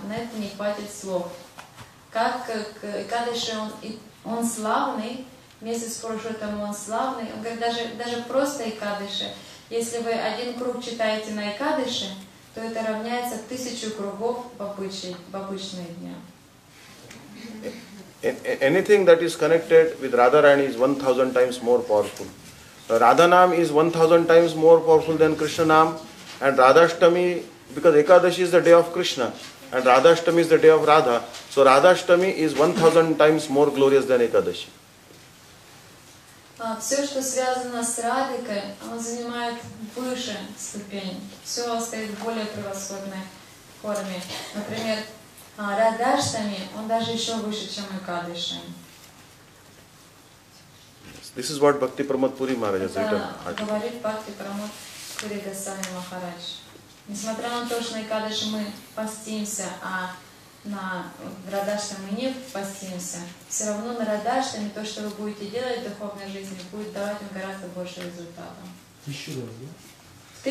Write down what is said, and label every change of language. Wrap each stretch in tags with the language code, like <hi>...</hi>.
<ru>На это не хватит слов. Как кадыши, он славный, месяц Пурушоттама он славный. Он говорит, даже просто и кадыши. Если вы один круг читаете на Экадыше, то это равняется 1000 кругов в обычные дни.</ru> <en>Anything that is connected with Radharani is 1000 times more powerful. Radhanam is 1000 times more powerful than Krishna Nam, and Radhashtami, because Ekadashi is the day of Krishna, and Radhashtami is the day of Radha, so Radhashtami is 1000 times more glorious than Ekadashi.</en> <ru>Все, что связано с Радикой, оно занимает выше ступень. Все стоит в более превосходной форме. Например, Радаштами, он даже еще выше, чем Экадыши. This is what Bhakti Pramod Puri Maharaj has written. Говорит Бхакти Прамод Пури Госвами Махарадж. Несмотря на то, что на Экадыши мы постимся, а на Радаштами мы не постимся, все равно на Радаштами то, что вы будете делать в духовной жизни, будет давать вам гораздо больше результата. 1000 раз, да?</ru>